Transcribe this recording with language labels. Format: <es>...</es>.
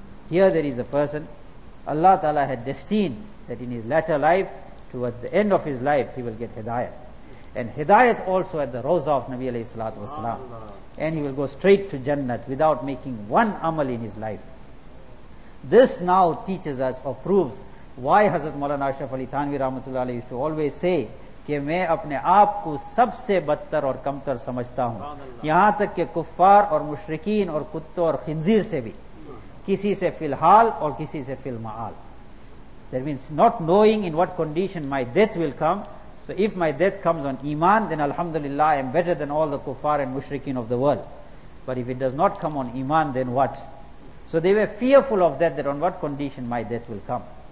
<en>Here there is a person, Allah Ta'ala had destined that in his latter life, towards the end of his life, he will get hidayat. And hidayat also at the rawza of Nabi alayhi salatu wasalam. And he will go straight to Jannat without making one amal in his life. This now teaches us or proves why Hazrat Maulana Ashraf Ali Thanvi Rahmatullah Alayhi used to always say,</en> <ur>کہ میں اپنے آپ کو سب سے بدتر اور کمتر سمجھتا ہوں, یہاں تک کہ کفار اور مشرکین اور کتوں اور خنزیر سے بھی, کسی سے فی الحال اور کسی سے فی المعال.</ur> <en>That means not knowing in what condition my death will come. So if my death comes on iman, then alhamdulillah I am better than all the kuffar and mushrikeen of the world. But if it does not come on iman, then what? So they were fearful of that, that on what condition my death will come.</en>